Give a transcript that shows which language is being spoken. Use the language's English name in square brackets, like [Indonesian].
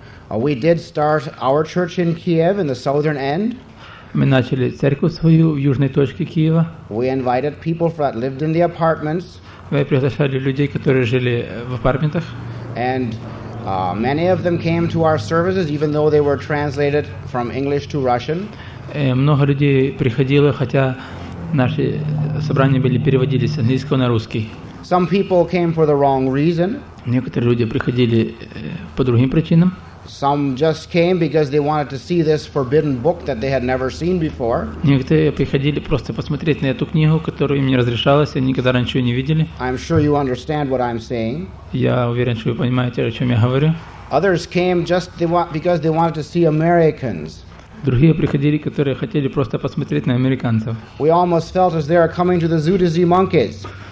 [English] We did start our church in Kiev, in the southern end. [Russian] Мы начали церковь свою в южной точке Киева. [English] We invited people that lived in the apartments. [Russian] Мы приглашали людей, которые жили в апартментах. [English] And many of them came to our services, even though they were translated from English to Russian. [Russian] Много людей приходило, хотя наши собрания были переводились с английского на русский. [English] Some people came for the wrong reason. [Russian] Некоторые люди приходили по другим причинам. [English] Some just came because they wanted to see this forbidden book that they had never seen before. [Russian] Некоторые приходили просто посмотреть на эту книгу, которую им не разрешалось, они никогда раньше ее не видели. [English] I'm sure you understand what I'm saying. [Russian] Я уверен, что вы понимаете, о чем я говорю. [English] Others came just because they wanted to see Americans. [Russian] Другие приходили, которые хотели просто посмотреть на американцев. [English] We almost felt as they are coming to the zoo to see monkeys.